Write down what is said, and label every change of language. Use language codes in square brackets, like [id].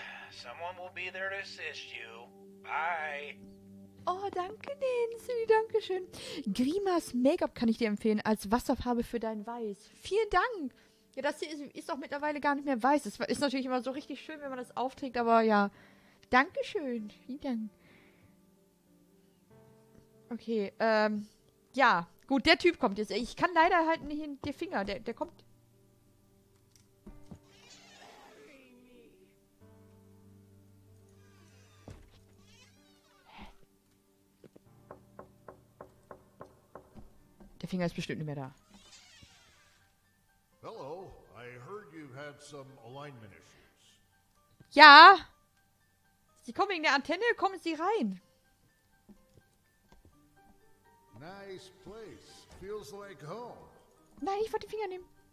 [en] Someone will be there to assist you. Bye. [de] Oh, danke, Nancy. Danke schön. Grimas Make-up kann ich dir empfehlen als Wasserfarbe für dein Weiß. Vielen Dank. Ja, das hier ist auch mittlerweile gar nicht mehr weiß. Es ist natürlich immer so richtig schön, wenn man das aufträgt, aber ja. Dankeschön. Vielen Dank. Okay, ja. Gut, der Typ kommt jetzt. Ich kann leider halt nicht in den Finger. Der kommt. Der Finger ist bestimmt nicht mehr da. [en] Hello, I heard you had some alignment issues. [de] Ja! Sie kommen wegen der Antenne, kommen Sie rein! [en] Nice place. Feels like home. [de] Nein, ich wollte den Finger nehmen.